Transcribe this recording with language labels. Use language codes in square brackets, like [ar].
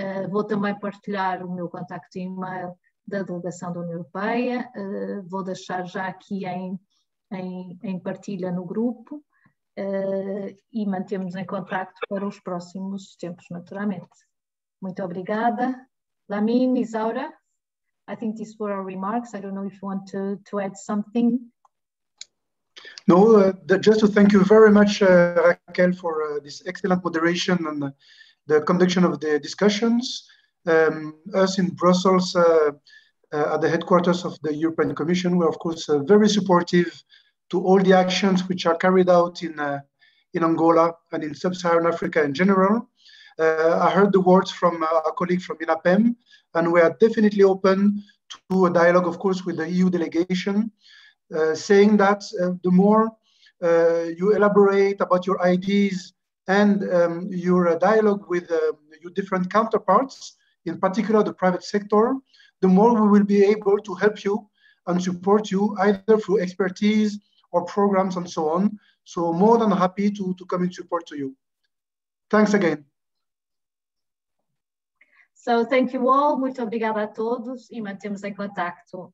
[pt] Vou também partilhar o meu contacto e-mail da Delegação da União Europeia. Vou deixar já aqui em partilha no grupo. E mantemos em contacto para os próximos tempos, naturalmente. Muito obrigada. [en] Lamine, Isaura, I think these were our remarks. I don't know if you want to add something. No, just to thank you very much, Raquel, for this excellent moderation and the conduction of the discussions. Us in Brussels, at the headquarters of the European Commission, we're of course very supportive to all the actions which are carried out in Angola and in sub-Saharan Africa in general. I heard the words from a colleague from INAPEM, and we are definitely open to a dialogue, of course, with the EU delegation. Saying that the more you elaborate about your ideas and your dialogue with your different counterparts, in particular the private sector, the more we will be able to help you and support you either through expertise or programs and so on. So more than happy to come in support to you. Thanks again. So thank you all. [pt] Muito obrigada a todos e mantemos em contacto.